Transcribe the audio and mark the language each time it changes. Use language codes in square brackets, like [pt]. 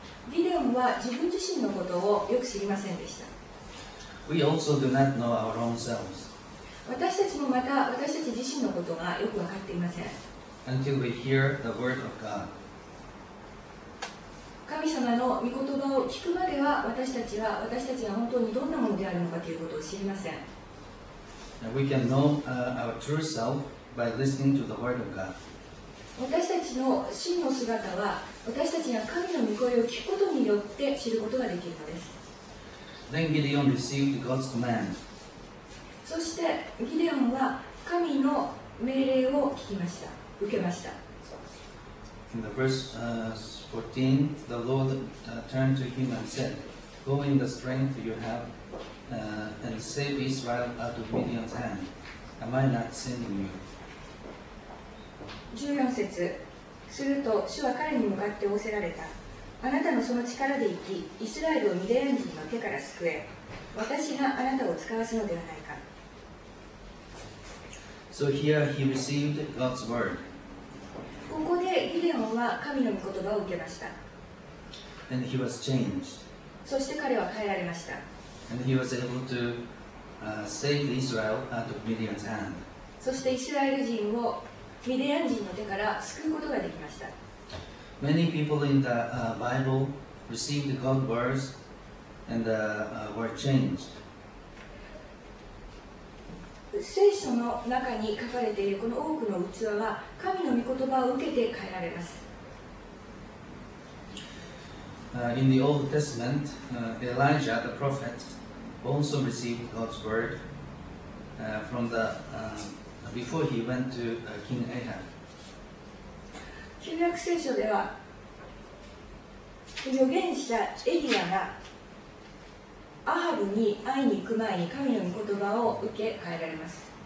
[ja] ギデオンは自分自身のことをよく知りませんでした。 [en] We also do not know our own selves. [ja] 私たちもまた私たち自身のことがよく分かっていません。 [en] Until we hear the word of God. [ja] 神様の御言葉を聞くまでは私たちは本当にどんなものであるのかということを知りません。 [en] We can know our true self. By listening to the word of God. [ja] 私たちの真の姿は私たちが神の御声を聞くことによって知ることができるのです。 [en] Then Gideon received God's command. [ja] そしてギデオンは神の命令を聞きました、受けました。 [en] In the verse 14, the Lord turned to him and said, Go in the strength you have and save Israel out of Midian's hand. Am I not sending you? [ja] 14節、すると主は彼に向かって仰せられた。あなたのその力で行き、イスラエルをミディアン人の手から救え。私があなたを使わすのではないか。 [en] So here he received God's word. [ja] ここでギデオンは神の御言葉を受けました。 [en] And he was changed. [ja] そして彼は変えられました。 [en] And he was able to save Israel out of Midian's hand. [ja] そしてイスラエル人をミディアン人の手から救うことができました。 [en] Many people in the Bible received God's words and were changed. [ja] 聖書の中に書かれているこの多くの器は神の御言葉を受けて変えられます。 [en] In the Old Testament, Elijah the prophet also received God's word from the before he went to King Ahab. [ja] 旧約聖書では預言者エリアがアハブに会いに行く前に神の御言葉を受け変えられます。